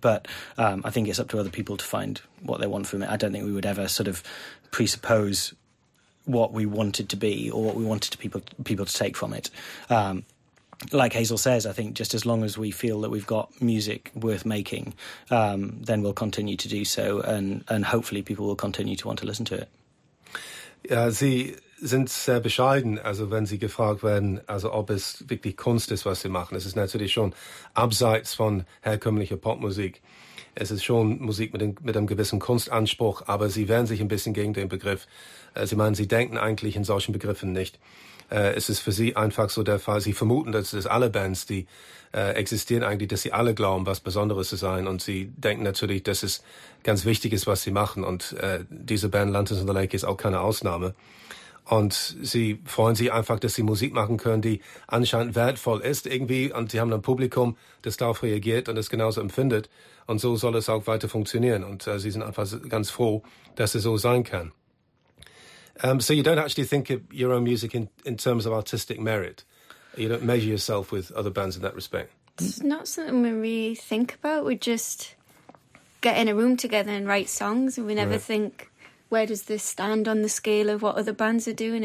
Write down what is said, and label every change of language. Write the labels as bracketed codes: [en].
[en] But I think it's up to other people to find what they want from it. I don't think we would ever sort of presuppose what we wanted to be or what we wanted to people to take from it. Like Hazel says, I think just as long as we feel that we've got music worth making, then we'll continue to do so, and hopefully people will continue to want to listen to it. [de] Ja, Sie sind sehr bescheiden, also wenn Sie gefragt werden, also ob es wirklich Kunst ist, was Sie machen. Es ist natürlich schon abseits von herkömmlicher Popmusik. Es ist schon Musik mit einem gewissen Kunstanspruch, aber Sie wehren sich ein bisschen gegen den Begriff. Sie meinen, Sie denken eigentlich in solchen Begriffen nicht. Es ist für Sie einfach so der Fall, Sie vermuten, dass alle Bands, die existieren eigentlich, dass Sie alle glauben, was Besonderes zu sein. Und Sie denken natürlich, dass es ganz wichtig ist, was Sie machen. Und diese Band Lanterns on the Lake ist auch keine Ausnahme. Und Sie freuen sich einfach, dass Sie Musik machen können, die anscheinend wertvoll ist irgendwie. Und Sie haben ein Publikum, das darauf reagiert und es genauso empfindet. Und so soll es auch weiter funktionieren. Und Sie sind einfach ganz froh, dass es so sein kann. [en] So you don't actually think of your own music in terms of artistic merit? You don't measure yourself with other bands in that respect? It's not something we really think about. We just get in a room together and write songs, and we never think, where does this stand on the scale of what other bands are doing?